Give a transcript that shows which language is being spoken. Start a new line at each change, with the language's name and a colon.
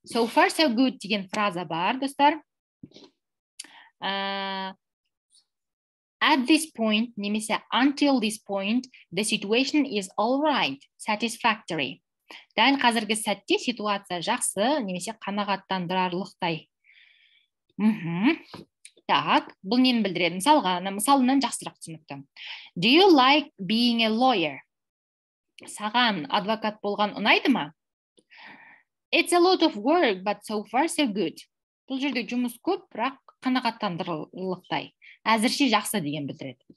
English: So far, so good
Kazakh: деген фраза бар, достар.
English: At this point,
Kazakh: немесе
English: until this point, the situation is all right, satisfactory.
Kazakh: Дәл қазіргі сәтте ситуация жақсы, немесе қанағаттандырарлықтай. Так, бұл нені білдіреді? Мысалынан жақсырақ түсінікті.
English: Do you like being a lawyer?
Kazakh: Саған адвокат болған ұнайды ма?
English: It's a lot of work, but so far so good.
Kazakh: Бұл жерде жұмыс көп, бірақ қанағаттандырарлықтай. Әзірше жақсы деген білдіреді.